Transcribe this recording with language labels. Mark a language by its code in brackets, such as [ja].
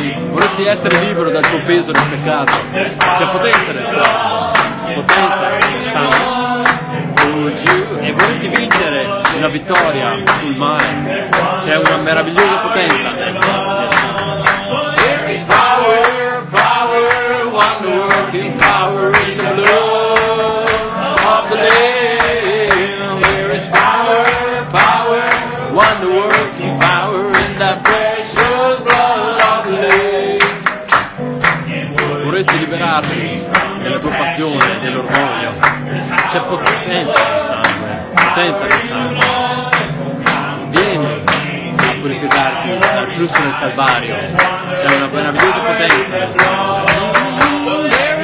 [it] Vorresti essere libero dal tuo peso del peccato. C'è potenza nel sangue. Potenza nel sangue. E vorresti vincere una vittoria sul mare. C'è una meravigliosa potenza nel sangue. [en] There is power, power, one working power in the blood of the Lamb. There is power, power, one working power in the precious blood of the Lamb. [it] Vorresti liberarti della tua passione, dell'orgoglio. C'è potenza nel sangue, potenza nel sangue. Vieni a purificarti dal flusso del Calvario. C'è una meravigliosa potenza nel sangue.